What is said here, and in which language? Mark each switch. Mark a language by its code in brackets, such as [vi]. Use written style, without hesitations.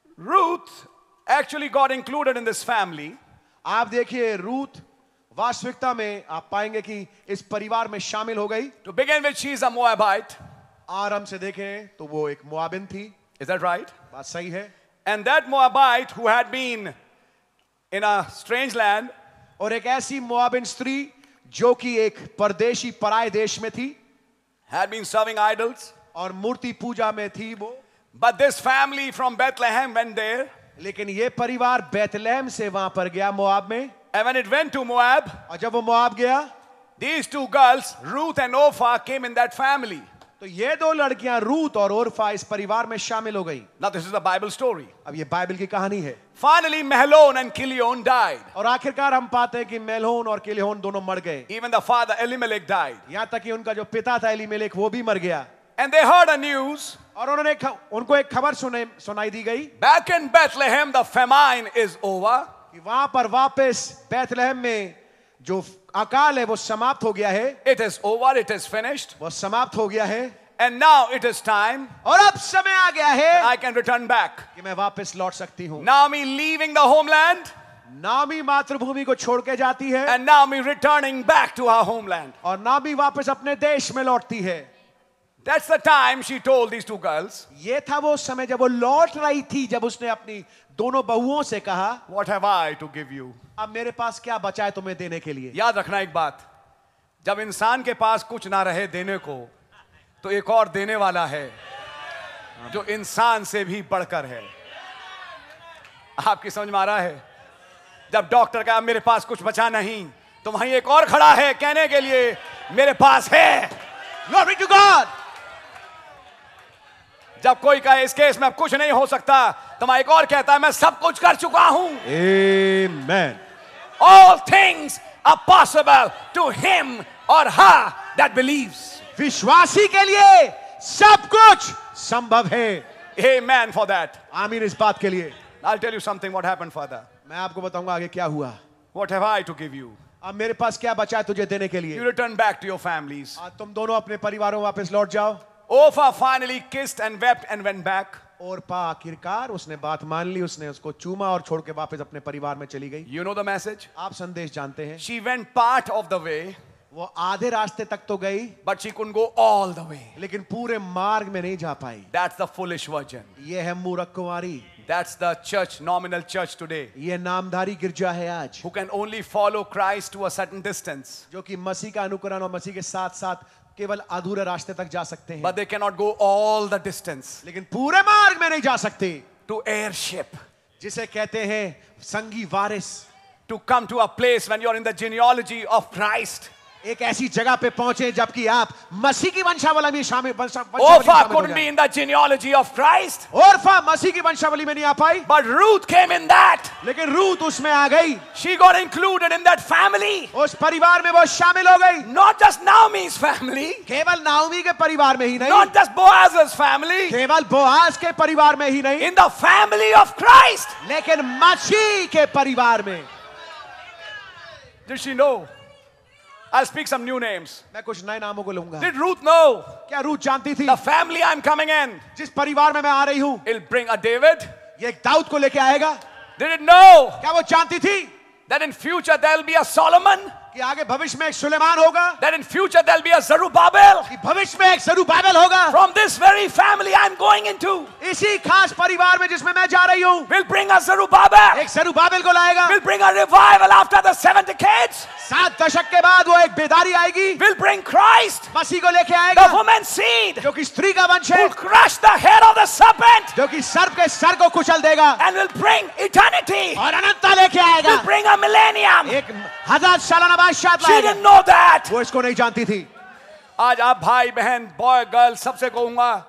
[en] Ruth actually got included in this family. [hi] आप देखिए Ruth वास्तविकता में आप पाएंगे कि इस परिवार में शामिल हो गई. [en] To begin with, she is a Moabite. [hi] आरंभ से देखें तो वो एक मोआबिन थी. [en] Is that right? [hi] बात सही है. [en] And that Moabite who had been in a strange land. [hi] और एक ऐसी मोआबिन स्त्री जो कि एक परदेशी पराय देश में थी, [en] had been serving idols, [hi] और मूर्ति पूजा में थी वो. [en] But this family from Bethlehem went there. [hi] लेकिन ये परिवार बेतलहम से वहां पर गया मोआब में. [en] And when it went to Moab, [hi] और जब वो मोआब गया, [en] these two girls, Ruth and Orpah, came in that family. [hi] तो ये दो लड़कियां रूथ और ओरफा इस परिवार में शामिल हो गई. [en] Now this is the Bible story. [hi] अब ये बाइबल की कहानी है. [en] Finally, Mahlon and Chilion died. [hi] और आखिरकार हम पाते हैं कि Mahlon और Chilion दोनों मर गए. [en] Even the father Elimelech died. [hi] यहां तक कि उनका जो पिता था Elimelech वो भी मर गया. [en] And they heard a news. [hi] और उन्होंने उनको एक खबर सुनाई दी गई. [en] Back in Bethlehem, the famine is over. [hi] कि वहां पर वापस बेतलहम में जो अकाल है वो समाप्त हो गया है. [en] It is over, it is finished. [hi] वो समाप्त हो गया है. [en] And now it is time. [hi] और अब समय आ गया है. [en] I can return back. [hi] कि मैं वापस लौट सकती हूँ. [en] Naomi leaving the homeland. [hi] Naomi मातृभूमि को छोड़ के जाती है. [en] And Naomi returning back to her homeland. [hi] और Naomi वापस अपने देश में लौटती है. [en] That's the time she told these two girls. [hi] ये था वो समय जब वो लौट रही थी, जब उसने अपनी दोनों बहुओं से कहा, [en] What have I to give you? [hi] अब मेरे पास क्या बचा है तुम्हें देने के लिए? याद रखना एक बात, जब इंसान के पास कुछ ना रहे देने को, तो एक और देने वाला है जो इंसान से भी बढ़कर है. आपकी समझ में आ रहा है? जब डॉक्टर कहा मेरे पास कुछ बचा नहीं, तो वहीं एक और खड़ा है कहने के लिए, मेरे पास है. [en] Glory to God. [hi] जब कोई कहे इस केस में कुछ नहीं हो सकता, तो मैं एक और कहता है, मैं सब कुछ कर चुका हूं. [en] Amen. All things are possible to him or her that believes. [hi] विश्वासी के लिए सब कुछ संभव है. [en] Amen for that. [hi] आमीन इस बात के लिए. [en] I'll tell you something what happened further. [hi] मैं आपको बताऊंगा आगे क्या हुआ. [en] What have I to give you? [hi] अब मेरे पास क्या बचा है तुझे देने के लिए? [en] You return back to your families. [hi] तुम दोनों अपने परिवारों वापस लौट जाओ. [en] Orpah finally kissed and wept and went back. [hi] ओरफा आखिरकार उसने बात मान ली, उसने उसको चूमा और छोड़ के वापस अपने परिवार में चली गई. [en] You know the message? [hi] आप संदेश जानते हैं. [en] She went part of the way. [hi] वो आधे रास्ते तक तो गई. [en] But she couldn't go all the way. [hi] लेकिन पूरे मार्ग में नहीं जा पाई. [en] That's the foolish virgin. [hi] ये है मूर्ख कुंवारी. [en] That's the church, nominal church today. [hi] ये नामधारी गिरजा है आज. [en] Who can only follow Christ to a certain distance. [hi] जो कि मसीह का अनुकरण और मसीह के साथ साथ केवल अधूरे रास्ते तक जा सकते हैं [en] but they cannot go all the distance [hi] लेकिन पूरे मार्ग में नहीं जा सकते [en] to heirship [hi] जिसे कहते हैं संगी वारिस [en] to come to a place when you are in the genealogy of Christ [hi] एक ऐसी जगह पे पहुंचे जबकि आप मसीह की वंशावली में शामिल [en] Orpah could be in the genealogy of Christ [hi] ओफा मसीह की वंशावली में नहीं आ पाई [en] but Ruth came in that [hi] लेकिन रूथ उसमें आ गई [en] she got included in that family [hi] उस परिवार में वो शामिल हो गई [en] not just Naomi's family [hi] केवल नाओमी के परिवार में ही नहीं [en] not just Boaz's family [hi] केवल बोआज़ के परिवार में ही नहीं [en] in the family of Christ [hi] लेकिन मसीह के परिवार में [en] Did she know I'll speak some new names. [hi] मैं कुछ नए नामों को लूंगा. [en] Did Ruth know? [hi] क्या रूथ जानती थी? [en] The family I'm coming in. [hi] जिस परिवार में मैं आ रही हूँ. [en] It'll bring a David. [hi] ये एक दाऊद को लेके आएगा. [en] Did it know? [hi] क्या वो जानती थी? [en] That in future there'll be a Solomon. [hi] कि आगे भविष्य में एक सुलेमान होगा. [en] That in future there'll be a Zerubbabel. [hi] कि भविष्य में एक Zerubbabel होगा. [en] From this very family I'm going into. [hi] इसी खास परिवार में जिसमें मैं जा रही हूँ. [en] We'll bring a Zerubbabel. [hi] एक Zerubbabel को लाएगा. [en] We'll bring a revival after the seven decades. [hi] सात दशक के बाद वो एक बेदारी आएगी. [en] We'll bring Christ. [hi] मसीह को लेके आएगा. [en] The woman seed. [hi] जो कि स्त्री का वंश है. [en] Will crush the head of the serpent. [hi] जो कि सर्प के सर को कुचल देगा. [en] And will bring eternity. [hi] और अनंतता लेके आएगा. [en] We'll bring a millennium. [hi] एक हजार सालाना बादशाह लाएगा. [en] She didn't know that. [hi] वो इसको नहीं जानती थी. आज आप भाई बहन बॉय गर्ल सबसे कहूंगा.